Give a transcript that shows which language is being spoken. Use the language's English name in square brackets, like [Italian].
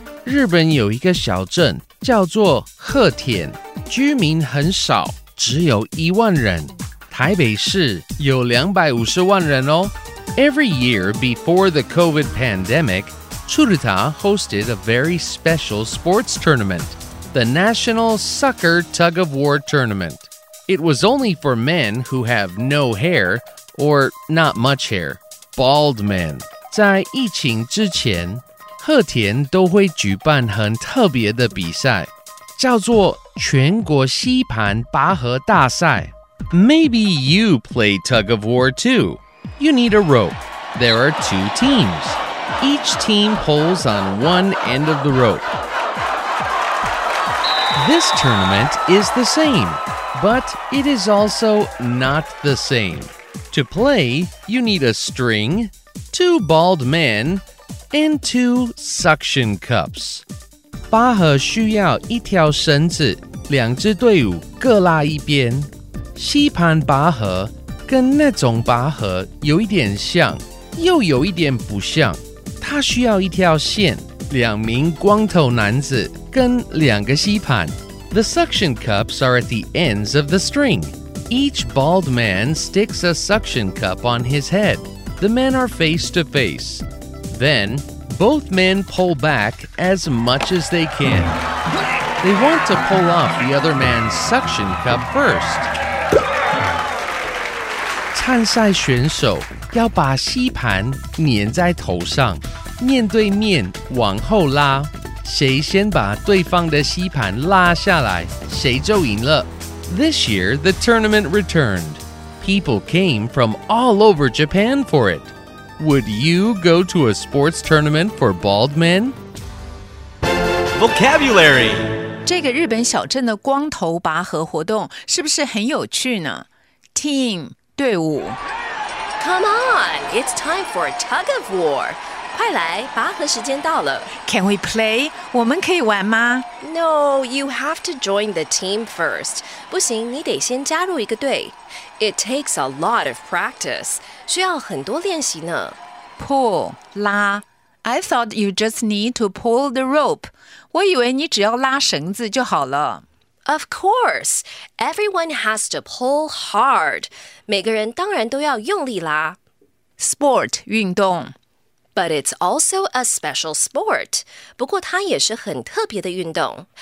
[Chinese] 日本有一个小镇叫做鹤田，居民很少，只有10,000人。台北市有250万人哦。 [English] Every year before the COVID pandemic, Tsuruta hosted a very special sports tournament, the National Soccer Tug of War Tournament. It was only for men who have no hair or not much hair, bald men. [Chinese] 在疫情之前，鹤田都会举办很特别的比赛，叫做全国吸盘拔河大赛。 [English] Maybe you play tug of war too. You need a rope. There are two teams. Each team pulls on one end of the rope. This tournament is the same, but it is also not the same. To play, you need a string, two bald men, and two suction cups. [Chinese] 拔河需要一条绳子，两支队伍各拉一边。吸盘拔河跟那种拔河有一点像，又有一点不像。它需要一条线，两名光头男子跟两个吸盘。 [English] The suction cups are at the ends of the string. Each bald man sticks a suction cup on his head. The men are face to face. Then, both men pull back as much as they can. They want to pull off the other man's suction cup first. [Chinese] 参赛选手要把吸盘黏在头上，面对面往后拉，谁先把对方的吸盘拉下来，谁就赢了。 [English] This year, the tournament returned. People came from all over Japan for it. Would you go to a sports tournament for bald men? Vocabulary. [Chinese] 这个日本小镇的光头拔河活动是不是很有趣呢 ？ Team. 队伍 [English] Come on, it's time for a tug of war. [Chinese] 快来，拔河时间到了。 [English] Can we play? [Chinese] 我们可以玩吗 [English] ？No, you have to join the team first. [Chinese] 不行，你得先加入一个队。 [English] It takes a lot of practice. [Chinese] 需要很多练习呢。 [English] Pull, 拉。 I thought you just need to pull the rope. [Chinese] 我以为你只要拉绳子就好了。 [English] Of course, everyone has to pull hard. [Chinese] 每个人当然都要用力拉。 [English] Sport, 运动。 But it's also a special sport. [Chinese] 不过它也是很特别的运动。